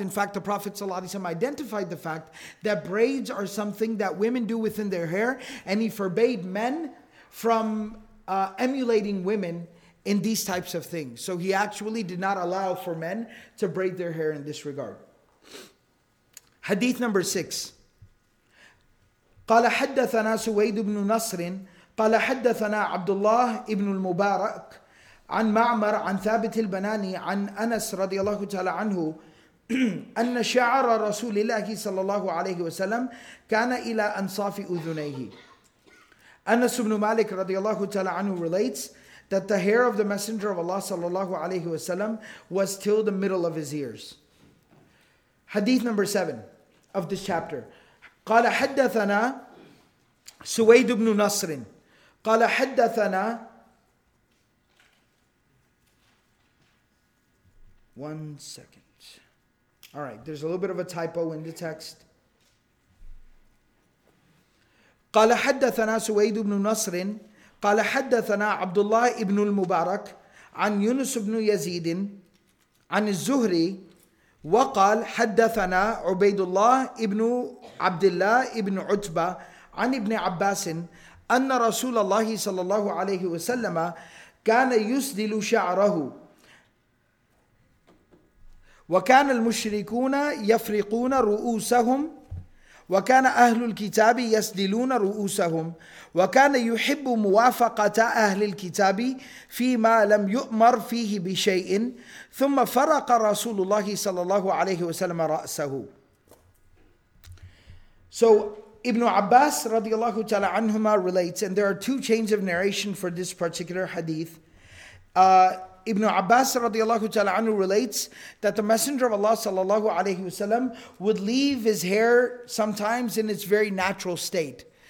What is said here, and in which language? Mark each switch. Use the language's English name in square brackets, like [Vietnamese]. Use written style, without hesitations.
[English] In fact, the Prophet ﷺ identified the fact that braids are something that women do within their hair, and he forbade men from emulating women in these types of things. So he actually did not allow for men to braid their hair in this regard. Hadith number 6. [Arabic] قال حدثنا سويد بن نصر قال حدثنا عبد الله بن المبارك عن معمر عن ثابت البناني عن أنس رضي الله تعالى عنه أن شعر رسول الله صلى الله عليه وسلم كان إلى أنصاف أذنيه. [English] أنس بن مالك رضي الله تعالى عنه relates that the hair of the Messenger of Allah صلى الله عليه وسلم was till the middle of his ears. Hadith number 7 of this chapter. [Arabic] قال حدثنا سويد بن نصر قال حدثنا. [English] One second. All right, there's a little bit of a typo in the text. [Arabic] قال حدثنا سويد بن نصر قال حدثنا عبد الله بن المبارك عن يونس بن يزيد عن الزهري وقال حدثنا عبيد الله بن عبد الله بن عتبة عن ابن عباس أن رسول الله صلى الله عليه وسلم كان يسدل شعره وكان المشركون يفرقون رؤوسهم وكان أهل الكتاب يسدلون رؤوسهم وكان يحب موافقة أهل الكتاب فيما لم يؤمر فيه بشيء ثم فرق رسول الله صلى الله عليه وسلم رأسه. [English] So Ibn Abbas رضي الله تعالى عنهما relates, and there are two chains of narration for this particular hadith. Ibn Abbas radiallahu ta'ala anhu relates that the Messenger of Allah sallallahu alayhi wasallam would leave his hair sometimes in its very natural state.